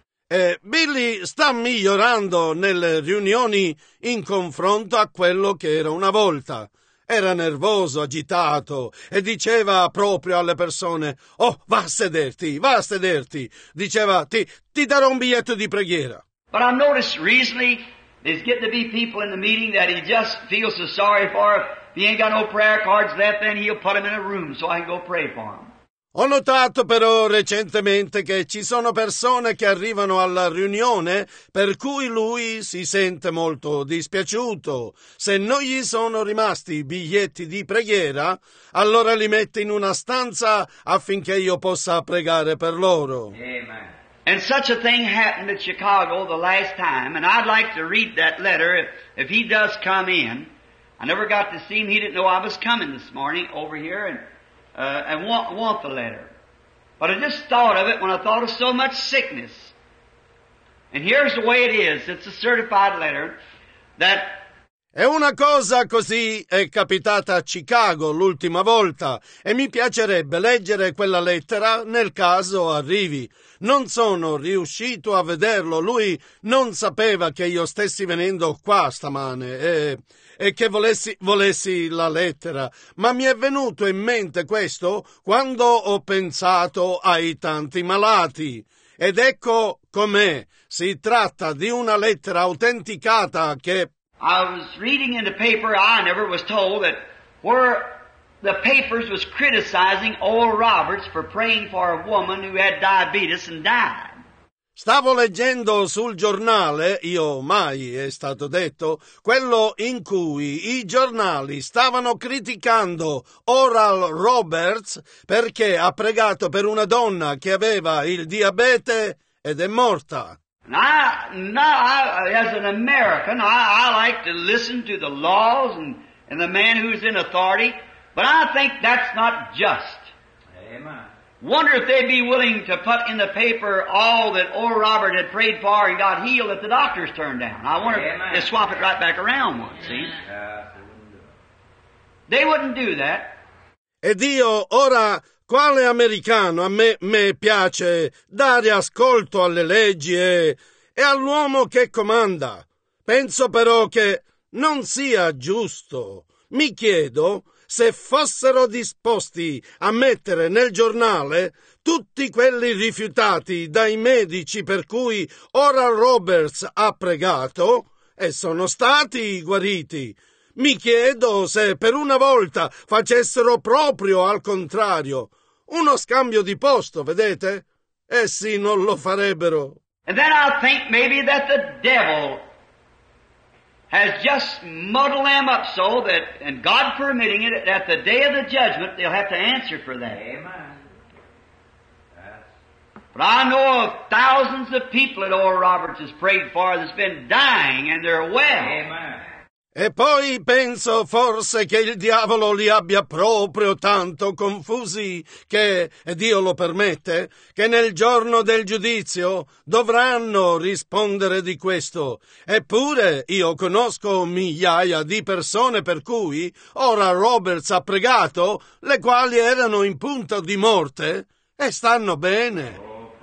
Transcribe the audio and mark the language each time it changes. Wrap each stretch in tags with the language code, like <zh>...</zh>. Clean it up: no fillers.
<it>E Billy sta migliorando nelle riunioni in confronto a quello che era una volta. Era nervoso, agitato, e diceva proprio alle persone, oh, va a sederti. Diceva, ti darò un biglietto di preghiera.</it> <en>But I noticed recently, there's getting to be people in the meeting that he just feels so sorry for. If he ain't got no prayer cards left, then he'll put them in a room so I can go pray for him.</en> <it>Ho notato però recentemente che ci sono persone che arrivano alla riunione per cui lui si sente molto dispiaciuto. Se non gli sono rimasti i biglietti di preghiera, allora li mette in una stanza affinché io possa pregare per loro.</it> <en>Amen. And such a thing happened at Chicago the last time, and I'd like to read that letter if he does come in. I never got to see him. He didn't know I was coming this morning over here and want the letter. But I just thought of it when I thought of so much sickness. And here's the way it is. It's a certified letter that...</en> <it>E una cosa così è capitata a Chicago l'ultima volta e mi piacerebbe leggere quella lettera nel caso arrivi. Non sono riuscito a vederlo. Lui non sapeva che io stessi venendo qua stamane e che volessi la lettera. Ma mi è venuto in mente questo quando ho pensato ai tanti malati. Ed ecco com'è. Si tratta di una lettera autenticata che...</it> <en>I was reading in the paper, I never was told, that where the papers was criticizing Oral Roberts for praying for a woman who had diabetes and died.</en> <it>Stavo leggendo sul giornale, io mai è stato detto, quello in cui i giornali stavano criticando Oral Roberts perché ha pregato per una donna che aveva il diabete ed è morta.</it> <en>As an American, I like to listen to the laws and the man who's in authority, but I think that's not just. Amen. Wonder if they'd be willing to put in the paper all that Oral Robert had prayed for and got healed that the doctors turned down. I wonder Amen. If they'd swap it right back around once, see? Yeah, they wouldn't do that.</en> <it>Ed io ora... Quale americano a me piace dare ascolto alle leggi e all'uomo che comanda? Penso però che non sia giusto. Mi chiedo se fossero disposti a mettere nel giornale tutti quelli rifiutati dai medici per cui Oral Roberts ha pregato e sono stati guariti. Mi chiedo se per una volta facessero proprio al contrario. Uno scambio di posto, vedete? Essi non lo farebbero.</it> <en>And then I think maybe that the devil has just muddled them up so that, and God permitting it, at the day of the judgment, they'll have to answer for that. Amen. But I know of thousands of people that Oral Roberts has prayed for that's been dying and they're well. Amen.</en> <it>E poi penso forse che il diavolo li abbia proprio tanto confusi che, e Dio lo permette, che nel giorno del giudizio dovranno rispondere di questo. Eppure io conosco migliaia di persone per cui ora Roberts ha pregato, le quali erano in punto di morte e stanno bene.</it>